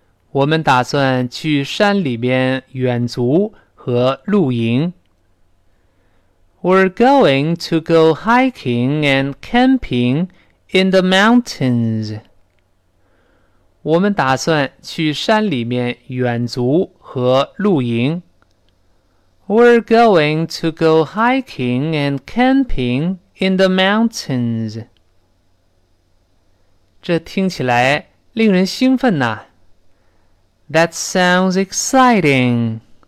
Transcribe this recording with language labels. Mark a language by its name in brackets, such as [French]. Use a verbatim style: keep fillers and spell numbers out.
[Chinese] 我们打算去山里边远足和露营。 [English] We're going to go hiking and camping in the mountains. [Chinese] 我们打算去山里面远足和露营。 [English] We're going to go hiking and camping in the mountains. [Chinese] 这听起来令人兴奋呐。 [English] That sounds exciting.